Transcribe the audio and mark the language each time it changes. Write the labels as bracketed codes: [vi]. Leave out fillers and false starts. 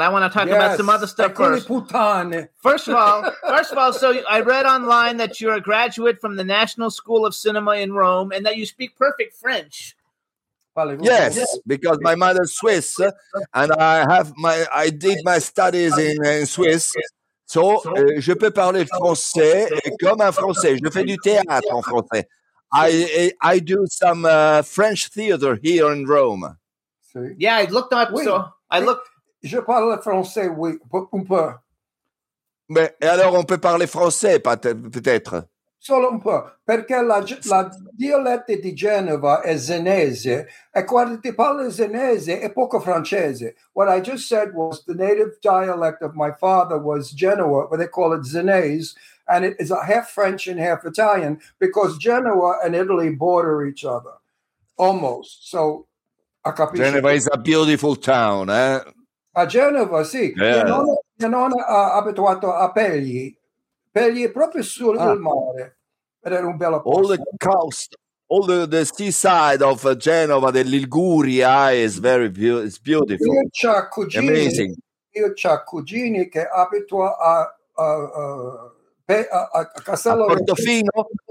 [en] I want to talk about some other stuff first. First of all, so I read online that you're a graduate from the National School of Cinema in Rome and that you speak perfect French. Yes, because my mother's Swiss and I did my studies in Swiss. [fr] So je peux parler français comme un français. Je fais du théâtre en français. [en] I do some French theater here in Rome. See? Yeah, I looked up. [fr] Oui. [en] So I looked. [fr] Je parle français, oui, un peu. Mais alors on peut parler français, peut-être. [it] Solo un peu, perché la dialetto di Genova è Zenese, e quando ti parli Zenese è poco francese. [en] What I just said was the native dialect of my father was Genoa, but they call it Zenese. And it is a half French and half Italian because Genoa and Italy border each other, almost. [it] So, a capisci. [en] Genova is a beautiful town, eh? [it] A Genova, sì. Mia nonna ha abituato a Pegli. Pegli è proprio sul mare. [en] All the coast, all the seaside of Genova, the Liguria is very beautiful. It's beautiful. Amazing. [it] Io c'ho cugini che abito a Castello. A Portofino?